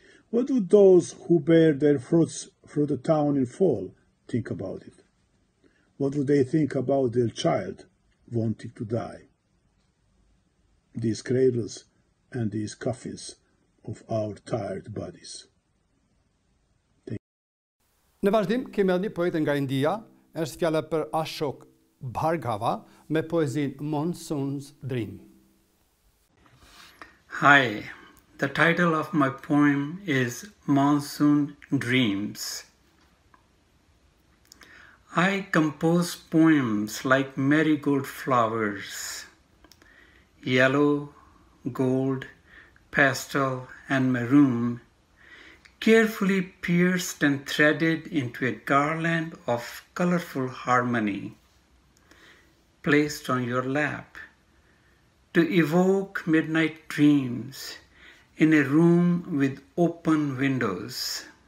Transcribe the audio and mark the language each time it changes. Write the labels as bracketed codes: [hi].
[en] What would those who bear their fruits through the town in fall think about it? What would they think about their child wanting to die? These cradles and these coffins of our tired bodies. [sq] Në vazhdim, kemi edhe një poetë nga India, është fjala për Ashok Bhargava me poezin Monsoon's Dream. [en] Hi, the title of my poem is Monsoon Dreams. I compose poems like marigold flowers, yellow, gold, pastel, and maroon, carefully pierced and threaded into a garland of colorful harmony, placed on your lap, to evoke midnight dreams in a room with open windows.